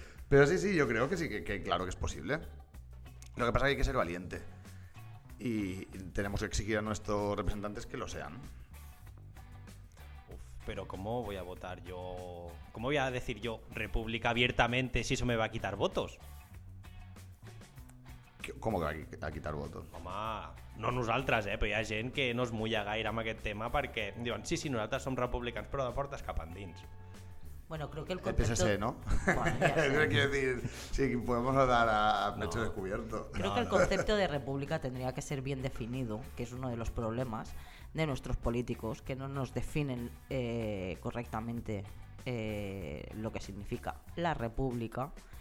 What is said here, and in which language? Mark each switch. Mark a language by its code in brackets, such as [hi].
[es] Pero sí, sí, yo creo que sí, que claro que es posible. Lo que pasa es que hay que ser valiente. Y tenemos que exigir a nuestros representantes que lo sean. Uf, pero ¿cómo voy a votar yo? ¿Cómo voy a decir yo República abiertamente si eso me va a quitar votos? ¿Cómo que a quitar votos? [ca] Home, no nosaltres, però hi ha gent que no es mulla gaire amb aquest tema perquè diuen, sí, sí, nosaltres som republicans, però de portes cap endins. [es] Bueno, creo que el concepto... El PSC, ¿no? Bueno, ya decir, sí, podemos dar a pecho descubierto. Creo que el concepto de república tendría que ser bien definido, que es uno de los problemas de nuestros políticos, que no nos definen correctamente lo que significa la república.